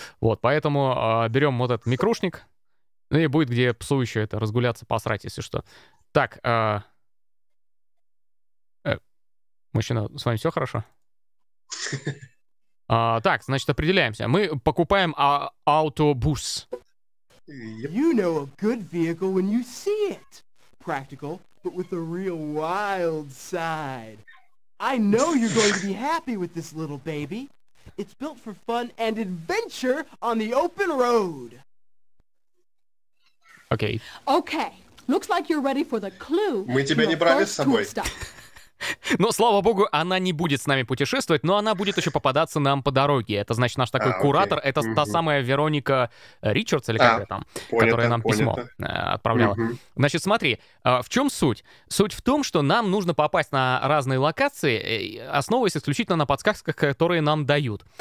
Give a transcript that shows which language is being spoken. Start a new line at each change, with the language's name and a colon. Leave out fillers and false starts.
Russian: Вот, поэтому берем вот этот микрушник. Ну, и будет где псу еще это разгуляться, посрать, если что. Так, мужчина, с вами все хорошо? Так, значит, определяемся. Мы покупаем автобус.
English: You know a good vehicle when you see it. Practical, but with a real wild side. I know you're going to be happy with this little baby. It's built for fun and adventure on the open road. Okay. Okay. Looks like you're ready for the clue.
Russian: Мы тебя не брали с собой. Но, слава богу, она не будет с нами путешествовать, но она будет еще попадаться нам по дороге. Это, значит, наш такой куратор, это та самая Вероника Ричардс, или как это там, которая нам письмо отправляла. Значит, смотри, в чем суть? Суть в том, что нам нужно попасть на разные локации, основываясь исключительно на подсказках, которые нам дают.